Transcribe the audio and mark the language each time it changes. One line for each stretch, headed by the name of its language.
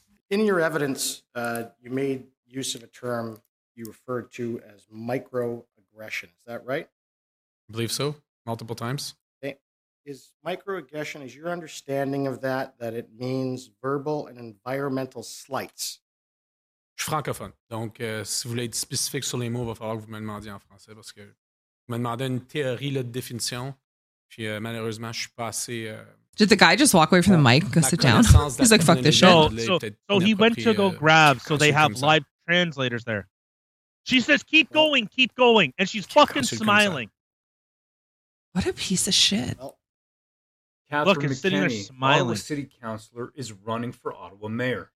English: In your evidence, you made use of a term you referred to as microaggression. Is that right? I believe so, multiple times. Okay. Is microaggression, is your understanding of that, that it means verbal and environmental slights?
French: Je suis francophone, donc si vous voulez être spécifique sur les mots, il va falloir que vous me demandiez en français parce que vous me demandez une théorie là, de définition, puis malheureusement, je suis pas assez...
English: Did the guy just walk away from the mic and go sit down? He's like, fuck this shit. So he went to go grab, so they have live translators there. She says, keep going, and she's fucking smiling. What a piece of shit. Catherine McKenney, Ottawa City Councilor, is running for Ottawa Mayor.